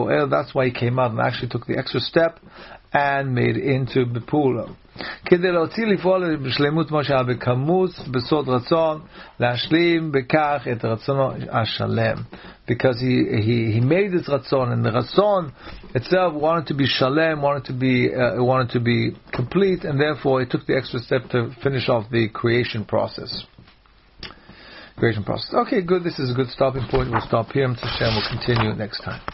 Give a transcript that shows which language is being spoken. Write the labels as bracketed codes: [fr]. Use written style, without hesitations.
[en] That's why he came out and actually took the extra step and made it into Bepula. [he] כדי להוציא לפעול בשלמות כמו שהיה בכמוס, בסוד רצון, להשלים בכך את רצונו השלם. [en] Because he made his רצון, and the רצון itself wanted to be שלם, wanted to be complete, and therefore it took the extra step to finish off the creation process. creation process. Okay, good. This is a good stopping point. We'll stop here. Mitzvah Shem. We'll continue next time.